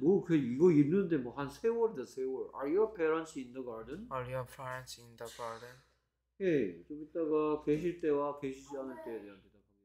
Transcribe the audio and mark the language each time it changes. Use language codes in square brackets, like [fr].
[ko] 뭐, 그 이거 있는데 뭐한 세월이다 세월. [en] Are your parents in the garden? Are your parents in the garden? [ko] 예, 좀 이따가 계실 때와 계시지 않을 때에 대한 대답.